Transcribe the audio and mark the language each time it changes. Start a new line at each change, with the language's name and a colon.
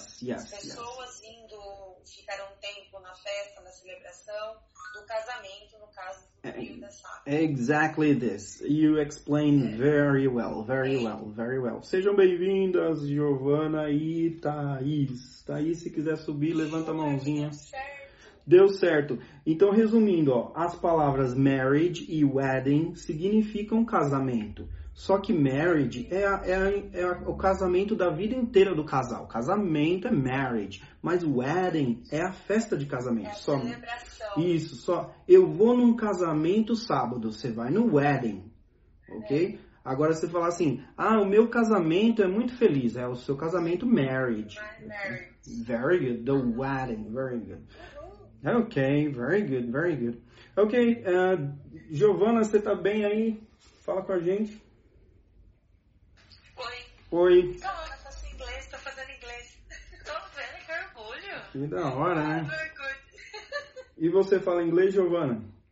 Portuguese: As pessoas indo ficar um tempo na festa, na celebração, do casamento, no caso, do filho da
English: sala. Exactly this. You explained very well.
Portuguese: Sejam bem-vindas, Giovana e Thaís. Thaís, se quiser subir, levanta a mãozinha. Deu certo. Então, resumindo, ó, as palavras marriage e wedding significam casamento. Só que marriage é o casamento da vida inteira do casal. Casamento é marriage. Mas wedding é a festa de casamento. É a celebração. Isso, só. Eu vou num casamento sábado, você vai no wedding. Ok? É. Agora, você fala assim, ah, o meu casamento é muito feliz. É o seu casamento marriage.
English: Very good. The wedding, very good. Ok, very good.
Portuguese: Ok, Giovana, você tá bem aí? Fala com a gente. Oi. Oi. Da hora, eu faço inglês, tô fazendo inglês. Tô vendo, que orgulho. Que da hora, né?
English: Very good.
Portuguese: E você fala inglês, Giovana?